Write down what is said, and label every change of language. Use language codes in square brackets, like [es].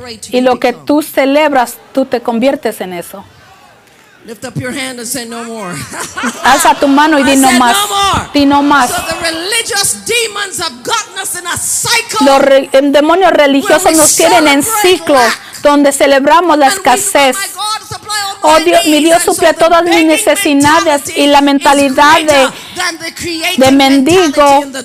[es] Y lo que tú celebras, tú te conviertes en eso. [en] Lift up your hand and say no more. [es] Alza tu mano y di no más. Di no más. [en] So the religious demons have gotten us in a cycle. [es] Los demonios religiosos nos tienen en ciclos donde celebramos la escasez. Oh Dios, mi Dios suple todas mis necesidades y la mentalidad de mendigo.